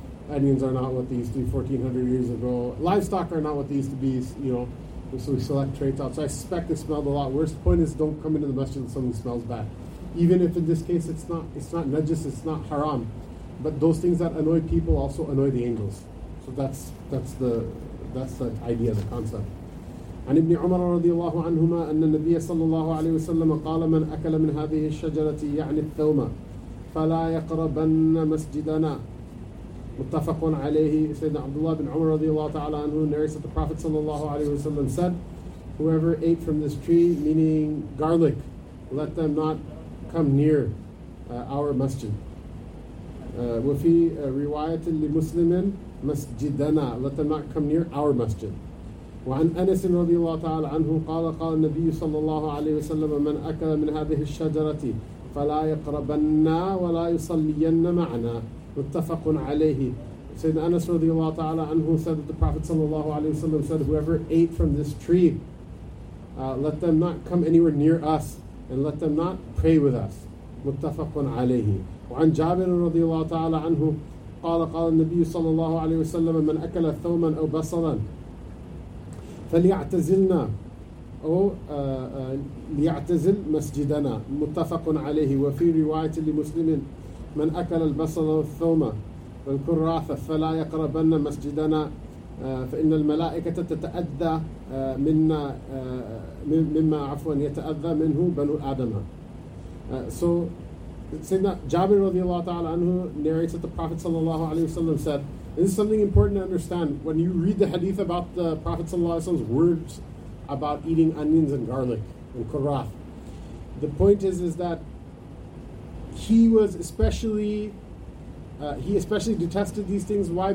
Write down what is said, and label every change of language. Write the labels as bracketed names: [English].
[English] Onions are not what they used to be 1400 years ago. Livestock are not what they used to be, you know, so we select traits out. So I suspect they smelled a lot worse. Point is, don't come into the masjid and something smells bad. Even if in this case it's not najis, it's not haram, but those things that annoy people also annoy the angels. So that's the idea, the concept. [Arabic] عن ابن عمر رضي الله عنهما أن النبي صلى الله عليه وسلم قال من أكل من هذه الشجرة يعني الثوم فلا يقربن مسجدنا متفق عليه. [English] سيدنا عبد الله بن عمر [Arabic] رضي الله تعالى عنه [English] narrates that the Prophet [Arabic] صلى الله عليه وسلم [English] said, whoever ate from this tree, meaning garlic, let them not come near our masjid. [Arabic] وفي رواية لمسلم مسجدنا, [English] let them not come near our masjid. [Arabic] وعن أنس رضي الله تعالى عنه قال قال النبي صلى الله عليه وسلم من أكل من هذه الشجرة فلا يقربنا ولا يصلين معنا متفق عليه. [English] سيدنا أنس [Arabic] رضي الله تعالى عنه [English] said that the Prophet [Arabic] صلى الله عليه وسلم [English] said, whoever ate from this tree, let them not come anywhere near us and let them not pray with us. [Arabic] متفق عليه. وعن جابر رضي الله تعالى عنه قال قال النبي صلى الله عليه وسلم من أكل ثوما أو بصلا فليعتزلنا أو ليعتزل مسجدنا متفق عليه. وفي رواية لمسلم من أكل البصل والثوم والكراثة فلا يقربن مسجدنا فإن الملائكة تتأذى منا مما عفوا يتأذى منه بنو آدم. [English] So سيدنا جابر [Arabic] رضي الله تعالى عنه [English] narrates that the Prophet [Arabic] صلى الله عليه وسلم [English] said, this is something important to understand. When you read the hadith about the Prophet ﷺ's words about eating onions and garlic and karath, the point is that he was especially he especially detested these things. Why?